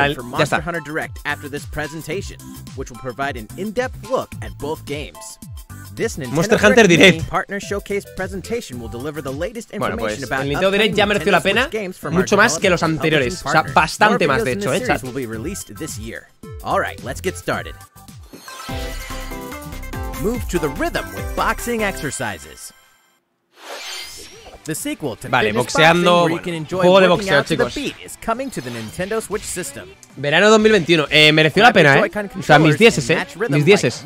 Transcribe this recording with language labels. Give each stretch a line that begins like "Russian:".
English: Monster Hunter Direct after this presentation, which will provide an in-depth look at both games. This Nintendo Monster Hunter Direct Mini Partner Showcase presentation will deliver the latest information about Nintendo.
Spanish: Bueno, pues el Nintendo Direct ya mereció la pena mucho más que los anteriores, o sea, bastante más de hecho, chat.
English: Will be released this year. All right, let's get started. Move to the rhythm with boxing exercises. The sequel to
Spanish: vale, boxeando, bueno,
English: you can enjoy
Spanish: juego de boxeo, chicos.
English: The beat is coming to the Nintendo Switch system.
Spanish: Verano 2021. Mereció la pena, O sea, mis dieces, mis dieces.